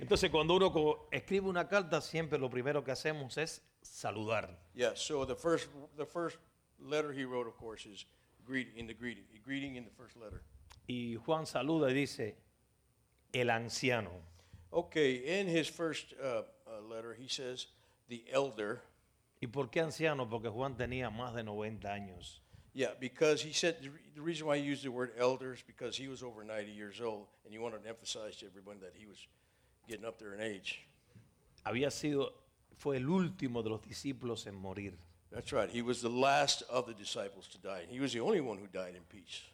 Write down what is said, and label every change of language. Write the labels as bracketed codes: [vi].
[es] Entonces, cuando uno escribe una carta, siempre lo primero que hacemos es saludar. [en] Yeah, so the first letter he wrote, of course, is greeting in the first letter. [es] Y Juan saluda y dice, el anciano. [en] Okay, in his first letter, he says, the elder. [es] ¿Y por qué anciano? Porque Juan tenía más de 90 años. [en] Yeah, because he said, the reason why he used the word elder is because he was over 90 years old, and he wanted to emphasize to everyone that he was getting up there in age. [es] Había sido, fue el último de los discípulos en morir. [en] That's right. He was the last of the disciples to die. He was the only one who died in peace.